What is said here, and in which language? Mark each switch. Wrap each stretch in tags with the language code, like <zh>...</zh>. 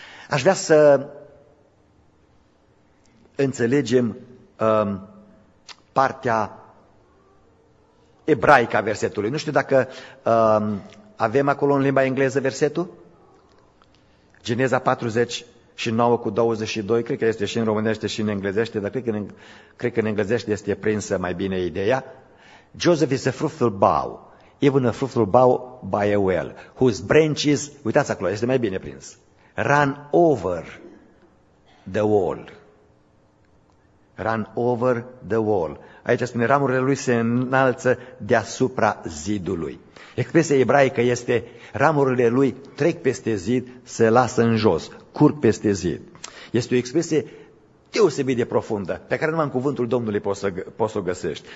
<ro>Aș vrea să înțelegem partea ebraică a versetului. Nu știu dacă Avem acolo în limba engleză versetul? Geneza 49:22, cred că este și în românește și în englezește, dar cred că în englezește este prinsă mai bine ideea.</ro> <en>Joseph is a fruitful bough, even a fruitful bough by a well, whose branches,</en> <ro>uitați acolo, este mai bine prins,</ro> <en>run over the wall. Run over the wall.</en> <ro>Aici spune, ramurile lui se înalță deasupra zidului. Expresia ebraică este, ramurile lui trec peste zid, se lasă în jos, curg peste zid. Este o expresie deosebit de profundă, pe care numai în cuvântul Domnului poți să o găsești.</ro>